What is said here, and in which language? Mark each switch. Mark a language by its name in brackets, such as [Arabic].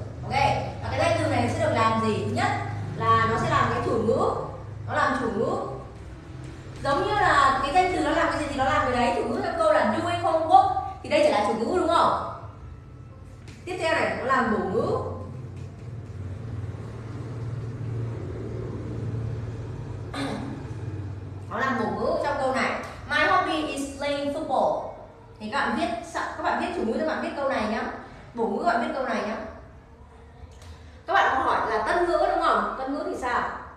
[Vietnamese] Ok, và cái danh từ này sẽ được làm gì? Thứ nhất là nó sẽ làm cái chủ ngữ, nó làm chủ ngữ giống như là cái danh từ nó làm cái gì thì nó làm cái đấy. Chủ ngữ theo câu là [English] doing homework [Vietnamese] thì đây trở lại chủ ngữ đúng không? Tiếp theo này nó làm bổ ngữ. Nó làm bổ ngữ trong câu này. [English] My hobby is playing football. [Vietnamese] Thì các bạn viết, các bạn viết chủ ngữ, các bạn viết câu này nhá. Bổ ngữ các bạn viết câu này nhá. Các bạn có hỏi là tân ngữ đúng không? Tân ngữ thì sao?